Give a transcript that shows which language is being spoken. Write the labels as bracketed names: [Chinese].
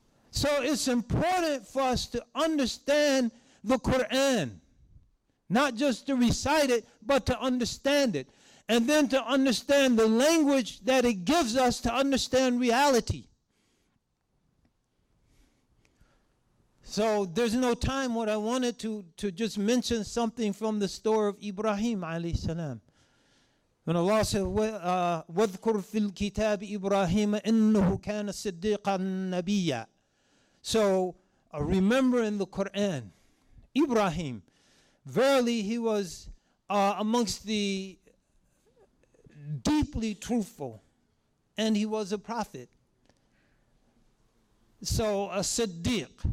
[English] So it's important for us to understand the Quran, not just to recite it, but to understand it. And then to understand the language that it gives us to understand reality. So there's no time. What I wanted to just mention something from the story of Ibrahim alayhi salam. When Allah said, [Arabic] وَذْكُرْ فِي الْكِتَابِ إِبْرَاهِيمَ إِنَّهُ كَانَ صِدِّيقًا نَبِيًّا. [English] So remember in the Quran, Ibrahim, verily he was amongst the deeply truthful, and he was a prophet. So a Siddiq.